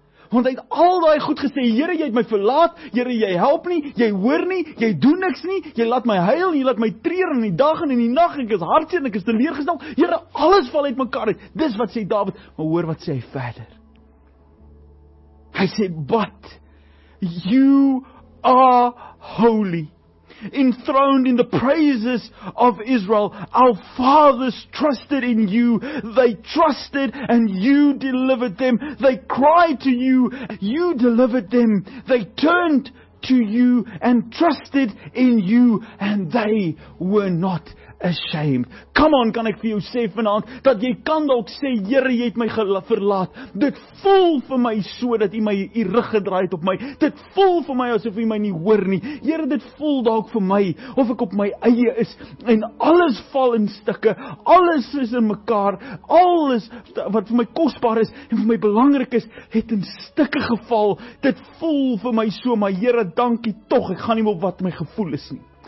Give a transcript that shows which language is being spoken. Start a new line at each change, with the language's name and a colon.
Afrikaans: Want hy het al daai goed gesê, Here, jy het my verlaat, Here, jy help nie, jy hoor nie, jy doen niks nie, jy laat my huil, jy laat my treur in die dag en in die nag, ek is hartseer, ek is teleurgestel, Here, alles val uit mekaar uit. Dis wat sê Dawid, maar hoor wat sê hy verder. Hy sê,
English: but you are holy, enthroned in the praises of Israel. Our fathers trusted in you. They trusted and you delivered them. They cried to you. You delivered them. They turned to you and trusted in you. And they were not ashamed. Come on,
Afrikaans: kan ek vir jou sê vanaand, dat jy kan dalk sê, Here, jy het my verlaat. Dit voel vir my so, dat jy my jy rug gedraai het op my. Dit voel vir my asof jy my nie hoor nie. Here, dit voel dalk vir my, of ek op my eie is, en alles val in stukke, alles is in mekaar, alles wat vir my kostbaar is, en vir my belangrik is, het in stukke geval. Dit voel vir my so, maar Here, dankie toch, ek gaan nie op wat my gevoel is nie.